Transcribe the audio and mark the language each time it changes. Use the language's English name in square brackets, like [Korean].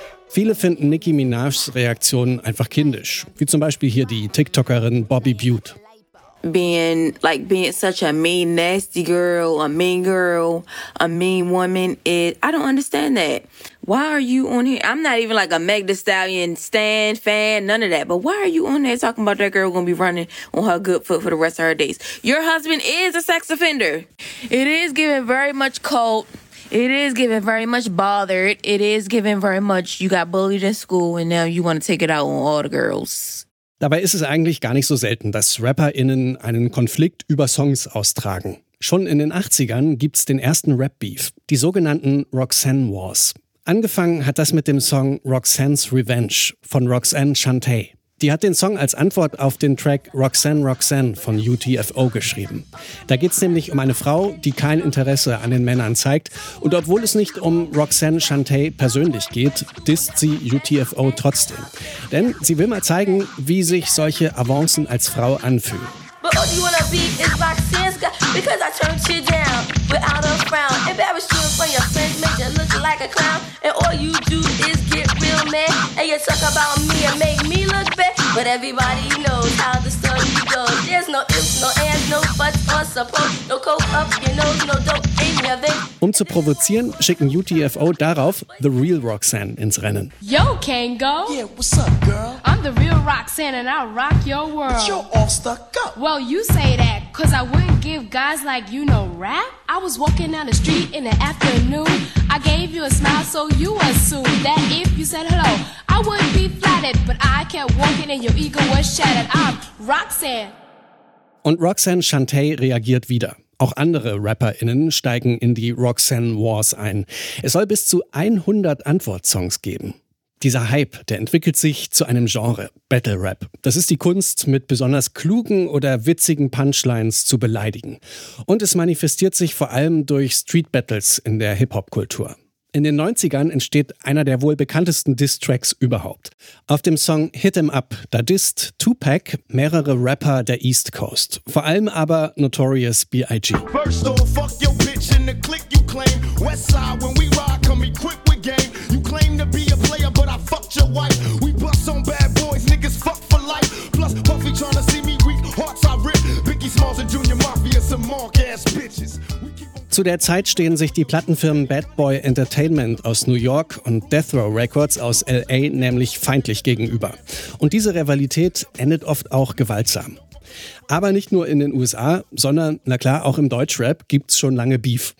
[German] Viele finden Nicki Minajs Reaktion einfach kindisch, wie zum Beispiel hier die TikTokerin Bobby Butte. [English] Being such a mean, nasty girl, a mean woman, I don't understand that. Why are you on here? I'm not even like a Meg Thee Stallion stan, fan, none of that. But why are you on there talking about that girl gonna be running on her good foot for the rest of her days? Your husband is a sex offender. It is giving very much cult. It is giving very much bothered. It is giving very much you got bullied in school and now you want to take it out on all the girls. [German] Dabei ist es eigentlich gar nicht so selten, dass RapperInnen einen Konflikt über Songs austragen. Schon in den 80ern gibt's den ersten Rap-Beef, die sogenannten Roxanne Wars. Angefangen hat das mit dem Song Roxanne's Revenge von Roxanne Shanté. Die hat den Song als Antwort auf den Track Roxanne Roxanne von UTFO geschrieben. Da geht's nämlich um eine Frau, die kein Interesse an den Männern zeigt. Und obwohl es nicht um Roxanne Shanté persönlich geht, disst sie UTFO trotzdem. Denn sie will mal zeigen, wie sich solche Avancen als Frau anfühlen. [English] But all you wanna be is Roxanne's girl. Because I turned you down without a frown. Embarrassed you in front of your friends, made you look like a clown. And all you do is get real mad. And you talk about me and make me look bad. But everybody knows how the story goes. There's no ifs, no ands, no buts or support. No coke up your nose, no dope in your vein. [German] Um zu provozieren, schicken UTFO darauf The Real Roxanne ins Rennen. [English] Yo, Kango. Yeah, what's up, girl? I'm the real Roxanne and I'll rock your world. But you're all stuck up. Well, you say that, cause I wouldn't give guys like you no rap. I was walking down the street in the afternoon. I gave you a smile, so you assumed that if you said hello, I wouldn't be flattered. But I kept walking and your ego was shattered. I'm Roxanne. [German] Und Roxanne Shanté reagiert wieder. Auch andere RapperInnen steigen in die Roxanne Wars ein. Es soll bis zu 100 Antwortsongs geben. Dieser Hype, der entwickelt sich zu einem Genre, Battle Rap. Das ist die Kunst, mit besonders klugen oder witzigen Punchlines zu beleidigen. Und es manifestiert sich vor allem durch Street Battles in der Hip-Hop-Kultur. In den 90ern entsteht einer der wohl bekanntesten Diss-Tracks überhaupt. Auf dem Song Hit 'Em Up, da disst Tupac mehrere Rapper der East Coast. Vor allem aber [English] Notorious B.I.G. First of all, fuck your bitch in the click you claim. West Side, when we ride, come equipped with game. You claim to be a player, but I fucked your wife. We bust on bad boys, niggas fuck for life. Plus, Puffy trying to see me weak, hearts I rip. Biggie Smalls and Junior Mafia, some mark-ass bitches. [German] Zu der Zeit stehen sich die Plattenfirmen Bad Boy Entertainment aus New York und Death Row Records aus L.A. nämlich feindlich gegenüber. Und diese Rivalität endet oft auch gewaltsam. Aber nicht nur in den USA, sondern, na klar, auch im Deutschrap gibt's schon lange Beef.